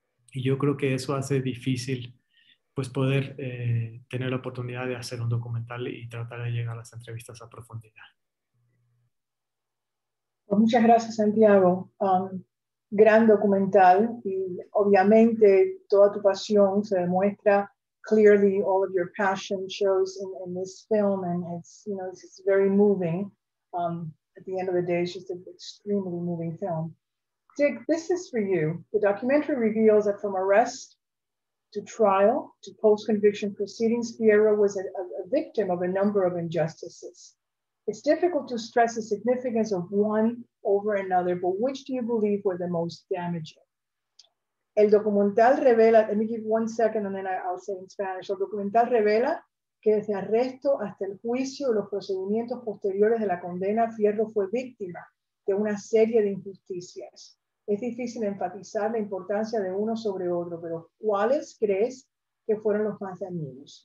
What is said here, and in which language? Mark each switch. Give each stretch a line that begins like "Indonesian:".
Spanish: Y yo creo que eso hace difícil pues poder tener la oportunidad de hacer un documental y tratar de llegar a las entrevistas a profundidad. Muchas gracias, Santiago. Gran documental y obviamente toda tu pasión se demuestra.
English: Clearly, all of your passion shows in this film, and it's, you know, it's very moving. At the end of the day, it's just an extremely moving film. Dick, this is for you. The documentary reveals that from arrest to trial to post-conviction proceedings, Fierro was a victim of a number of injustices. It's difficult to stress the significance of one over another, but which do you believe were the most damaging?
Spanish: El documental revela,
English: let me give 1 second and then I'll say in Spanish.
Spanish: El documental revela que desde arresto hasta el juicio y los procedimientos posteriores de la condena, Fierro fue víctima de una serie de injusticias. Es difícil enfatizar la importancia de uno sobre otro, pero ¿cuáles crees que fueron los más dañinos?